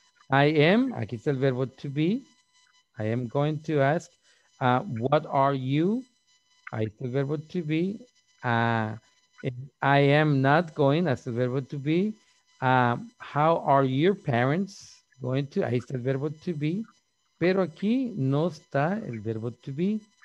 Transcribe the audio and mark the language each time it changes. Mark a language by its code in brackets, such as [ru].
[en] I am, [es] aquí está el verbo to be. [en] I am going to ask, what are you? [es] Ahí está el verbo [en] to be. I am not going, that's the verbo to be. How are your parents going to? [es] Ahí está el verbo to be. Pero aquí no está el verbo to be.